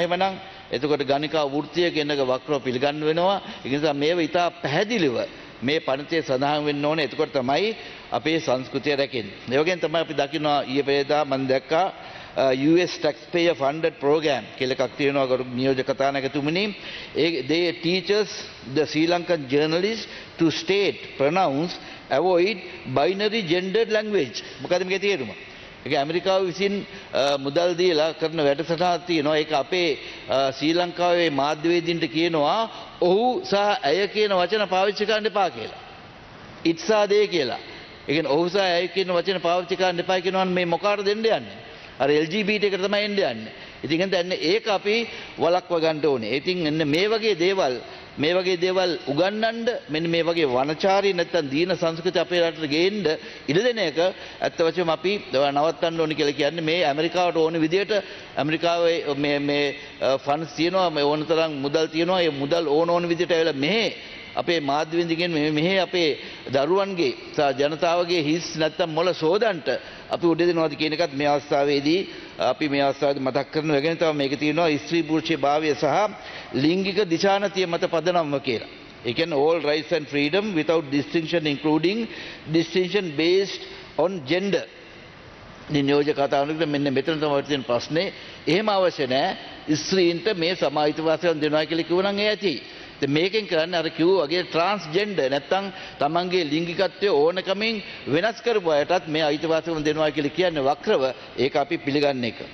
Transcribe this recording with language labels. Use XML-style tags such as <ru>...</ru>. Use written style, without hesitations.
<si>එහෙමනම් එතකොට ගණිකා වෘත්තිය කියන එක වක්‍රව පිළිගන්න වෙනවා. ඒ නිසා මේව ඉතා පැහැදිලිව මේ පනතේ සඳහන් වෙන්න ඕනේ. එතකොට තමයි අපේ සංස්කෘතිය රැකෙන්නේ. ඒ වගේම තමයි අපි දකිනවා ඊයේ පෙරේදා මම දැක්කා</si> <en>US taxpayer funded program</en> <si>කියලා එකක් තියෙනවා ගරු නියෝජ්‍ය කතානායකතුමනි.</si> <en>They teaches the Sri Lankan journalists to state, pronounce, avoid binary gendered language.</en> <si>මොකද මේකේ තේරුම? ඒක ඇමරිකාව විසින් මුදල් දීලා කරන වැඩසටහනක් තියෙනවා. ඒක අපේ ශ්‍රී ලංකාවේ මාධ්‍යවේදීන්ට කියනවා ඔහු සහ ඇය කියන වචන පාවිච්චි කරන්න එපා කියලා.</si> <en>It's a they</en> <si>කියලා. ඒ කියන්නේ ඔහු සහ ඇය කියන වචන පාවිච්චි කරන්න එපා කියනවා නම් මේ මොකාට දෙන්න යන්නේ? අර LGBT එකට තමයි එන්න යන්නේ. ඉතින් හන්දන්නේ ඒක අපි වළක්ව ගන්න ඕනේ. ඉතින් එන්න මේ වගේ දේවල් උගන්වන්න මෙන්න මේ වගේ වනචාරී නැත්තම් දීන සංස්කෘතිය අපේ රටට ගේන්න ඉඩ දෙන එක ඇත්ත වශයෙන්ම අපි නවත්තන්න ඕනේ කියලා කියන්නේ මේ ඇමරිකාවට ඕන විදිහට ඇමරිකාවේ මේ ෆන්ඩ්ස් තියෙනවා ඕන තරම් මුදල් තියෙනවා ඒ මුදල් ඕන විදිහට ඇවිල්ලා මෙහේ අපේ මාධ්‍ය විඳින්ගෙන් මෙහේ අපේ දරුවන්ගේ ජනතාවගේ හිස් නැත්තම් මොළ සෝදන්නට අපි උඩ දෙනවාද කියන එකත් මේ අවස්ථාවේදී අපි මේ අවස්ථාවේදී මතක් කරන එක ගැන තමයි මේක තියෙනවා ස්ත්‍රී පුරුෂයේ භාවය සහ ලිංගික දිශානතිය මත පදනම්ව කියලා. ඒ කියන්නේ</si> <en>all rights and freedom without distinction including distinction based on gender.</en> <si>නියෝජ්‍ය කතාවනකට මෙන්න මෙතන තමයි තියෙන ප්‍රශ්නේ. එහෙම අවශ්‍ය නැහැ ස්ත්‍රීන්ට මේ සමාජීය වාසියක් දෙනවා කියලා කිව්වනම් ඒ ඇති.</si> <en>The making</en> <si>කරන්න අර කිව්වා වගේ transgender නැත්තම් තමන්ගේ ලිංගිකත්වයේ ඕනකමින් වෙනස් කරපුවාටත් මේ අයිතිවාසිකම දෙනවා කියලා කියන්නේ වක්‍රව ඒක අපි පිළිගන්නේ එක.</si>